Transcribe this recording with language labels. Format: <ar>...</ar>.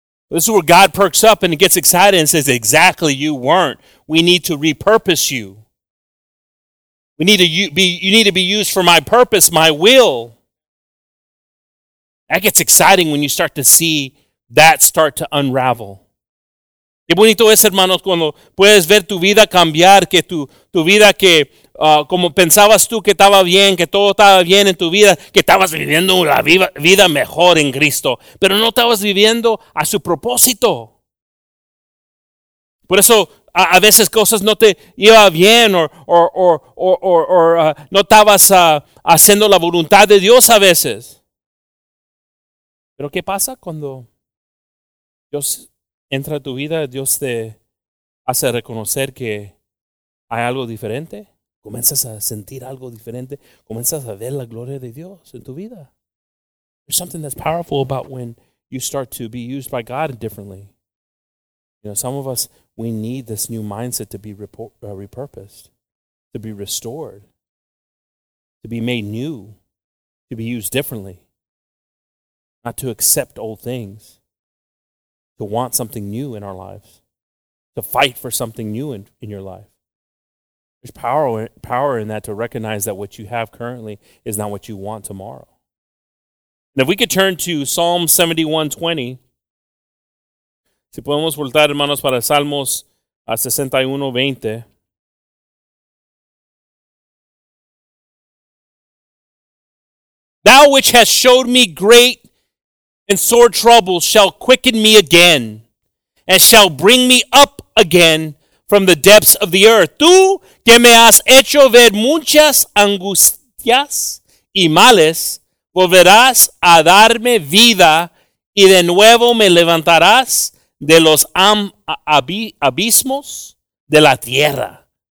<en>This is where God perks up and gets excited and says, exactly, you weren't. We need to repurpose you. You need to be used for my purpose, my will. That gets exciting when you start to see that start to unravel.</en> <es>Qué bonito es, hermanos, cuando puedes ver tu vida cambiar, que tu vida que como pensabas tú que estaba bien, que todo estaba bien en tu vida, que estabas viviendo la vida mejor en Cristo, pero no estabas viviendo a su propósito. Por eso a veces cosas no te iba bien o no estabas haciendo la voluntad de Dios a veces. Pero ¿qué pasa cuando Dios entra a tu vida, Dios te hace reconocer que hay algo diferente? Comienzas a sentir algo diferente. Comienzas a ver la gloria de Dios en tu vida.</es> <en>There's something that's powerful about when you start to be used by God differently. You know, some of us, we need this new mindset to be repurposed, to be restored, to be made new, to be used differently. Not to accept old things. To want something new in our lives. To fight for something new in your life. There's power in that, to recognize that what you have currently is not what you want tomorrow. And if we could turn to Psalm 71:20.</en> <es>Si podemos voltar, hermanos, para Salmos 61:20.</es> <en>Thou which has showed me great and sore troubles shall quicken me again, and shall bring me up again from the depths of the earth.</en> <es>Tú que me has hecho ver muchas angustias y males, volverás a darme vida, y de nuevo me levantarás de los abismos de la tierra.</es>